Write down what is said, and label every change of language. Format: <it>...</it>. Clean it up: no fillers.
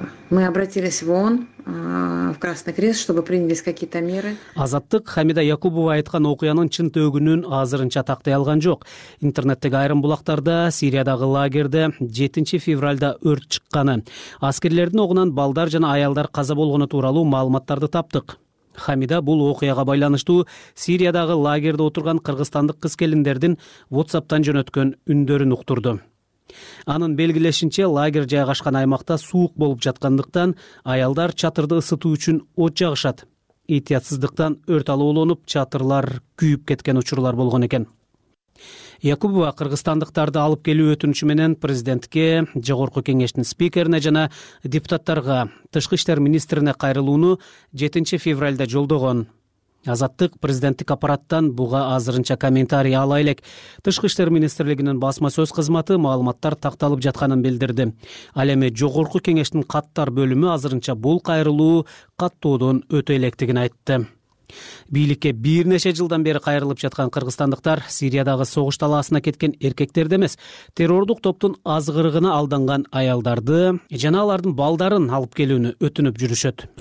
<ru>Мы обратились в ООН, в Красный Крест, чтобы принялись какие-то меры.</ru> <ky>Азаттык Хамида Якубова айткан окуянын чын төгүнүн азырынча тактай алган жок. Интернеттеги айрым булактарда Сириядагы лагерде 7 февралда өрт чыкканы, аскерлердин огунан балдар жана аялдар каза болгону тууралуу маалыматтарды таптык. Хамида бул окуяга байланыштуу Сириядагы лагерде отурган кыргызстандык кыз келиндердин WhatsApp'тан жөнөткөн үндөрүн уктурду. Анын белгилешинче, лагерь жайгашкан аймакта суук болуп жаткандыктан аялдар чатырды ысытуу үчүн от жагышат. Этиятсыздыктан өрт алууланып, чатырлар күйүп кеткен учурлар болгон экен. Якубова кыргызстандыктарды алып келүү өтүнүчү менен президентке, Жогорку кеңештин спикерине жана депутаттарга, тышкы иштер министрине кайрылууну 7 февралда жолдогон. Азаттык президенттик аппараттан буга азырынча комментарий ала элек. Тышкы иштер министрлигинин басма сөз кызматы маалыматтар такталып жатканын билдирди. Ал эми Жогорку кеңештин каттар бөлүмү азырынча бул кайрылуу каттоодон өтө электигин айтты. Бийликке бир нече жылдан бери кайрылып жаткан кыргызстандыктар Сириядагы согуш талаасына кеткен эркектерди эмес, террордук топтун азгырыгына алданган аялдарды жана алардын балдарын алып келүүнү өтүнүп жүрүшөт.</ky>